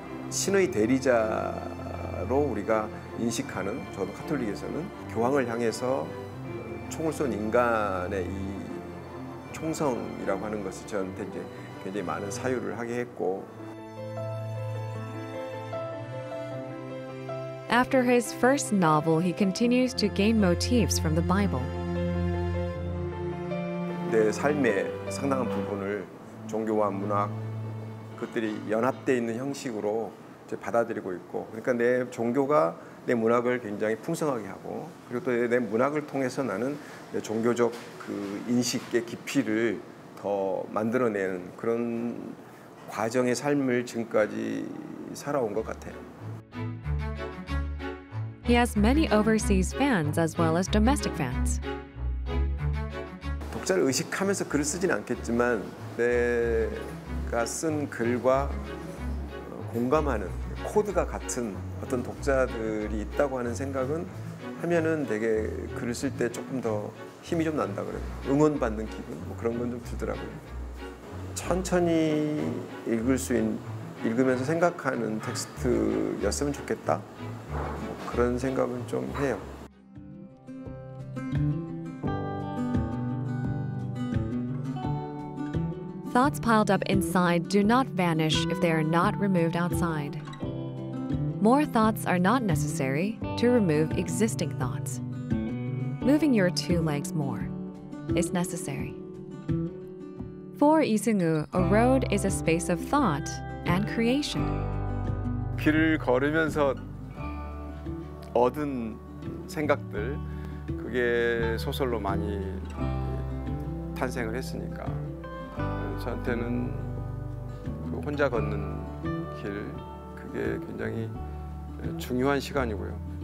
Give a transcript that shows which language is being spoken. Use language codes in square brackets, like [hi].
[en] The God's [ko] 대리자로 우리가 인식하는 저도 카톨릭에서는 교황을 향해서 총을 쏜 인간의 이 총성이라고 하는 것이 저한테 이제 굉장히 많은 사유를 하게 했고. [en] After his first novel, he continues to gain motifs from the Bible. [ko] 내 삶의 상당한 부분을 종교와 문학 그것들이 연합돼 있는 형식으로 이제 받아들이고 있고, 그러니까 내 종교가 내 문학을 굉장히 풍성하게 하고 그리고 또 내 문학을 통해서 나는 내 종교적 그 인식의 깊이를 더 만들어내는 그런 과정의 삶을 지금까지 살아온 것 같아요. [en] He has many overseas fans as well as domestic fans. [ko] 독자를 의식하면서 글을 쓰진 않겠지만 내가 쓴 글과 공감하는 코드가 같은 어떤 독자들이 있다고 하는 생각은 하면은 되게 글을 쓸 때 조금 더 힘이 좀 난다 그래요. 응원받는 기분 뭐 그런 건 좀 들더라고요. 천천히 읽을 수 있는 읽으면서 생각하는 텍스트였으면 좋겠다. 뭐 그런 생각은 좀 해요. [en] Thoughts piled up inside do not vanish if they are not removed outside. More thoughts are not necessary to remove existing thoughts. Moving your two legs more is necessary. For Lee Seung-woo, a road is a space of thought and creation. [ko] 길을 걸으면서 얻은 생각들, 그게 소설로 많이 탄생을 했으니까. 저한테는 그 혼자 걷는 길, 그게 굉장히 중요한 시간이고요.